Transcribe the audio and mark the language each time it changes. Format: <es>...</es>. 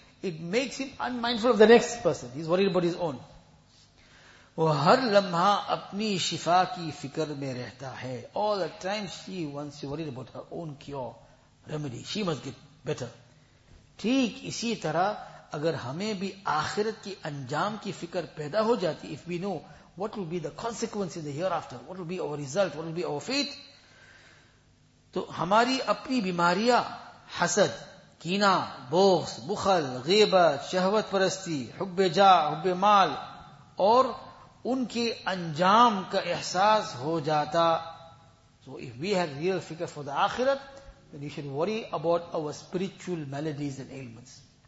<en>It makes him unmindful of the next person. He's worried about his own.</en> <ur>وہ ہر لمحہ اپنی شفا کی فکر میں رہتا ہے.</ur> <en>All the time she wants to worry about her own cure, remedy. She must get better.</en> <ur>ٹھیک اسی طرح اگر ہمیں بھی آخرت کی انجام کی فکر پیدا ہو جاتی,</ur> <en>if we know what will be the consequence in the hereafter, what will be our result, what will be our fate,</en> <ur>تو ہماری اپنی بیماریاں حسد, کینہ، بغض، بخل، غیبت، شہوت پرستی، حب جا، حب مال، اور ان کے انجام کا احساس ہو جاتا.</ur> <en>So if we have real figure for the akhirat, then we should worry about our spiritual maladies and ailments.</en>